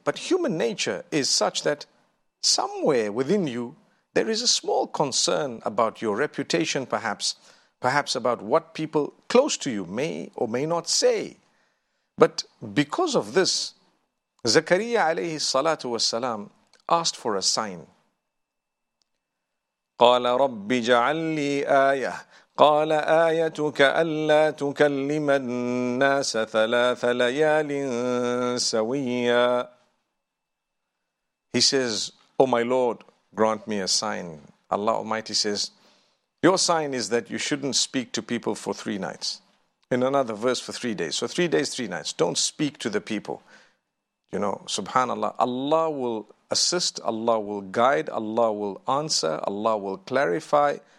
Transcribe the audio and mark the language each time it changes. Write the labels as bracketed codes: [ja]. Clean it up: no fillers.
[en] But human nature is such that somewhere within you, there is a small concern about your reputation, perhaps. Perhaps about what people close to you may or may not say. But because of this, Zakariya alayhi salatu wasalam asked for a sign. [ar] قال ربي جعل لي آية قال آيتك ألا تكلم الناس ثلاث ليال سويا. [en] He says, oh my Lord, grant me a sign. Allah Almighty says, your sign is that you shouldn't speak to people for 3 nights. In another verse, for 3 days. So 3 days, 3 nights. Don't speak to the people. You know, subhanAllah, Allah will assist, Allah will guide, Allah will answer, Allah will clarify.